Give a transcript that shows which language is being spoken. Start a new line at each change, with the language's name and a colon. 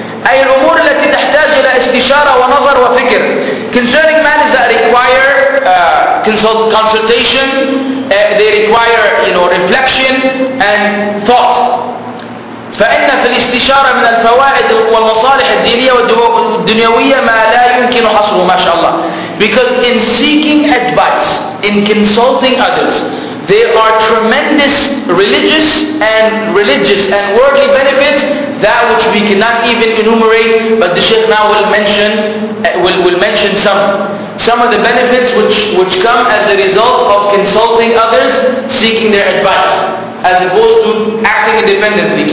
Arabic: أي الأمور التي تحتاج إلى استشارة ونظر وفكر.
English: Concerning matters that require consultation, they require, you know, reflection and thought.
Arabic: فإن في الاستشارة من الفوائد والمصالح الدينية والدنيوية ما لا يمكن حصره ما شاء الله.
English: Because in seeking advice, in consulting others, there are tremendous religious and worldly benefits, that which we cannot even enumerate, but the Shaykh now will mention some of the benefits which come as a result of consulting others, seeking their advice, as opposed to acting independently.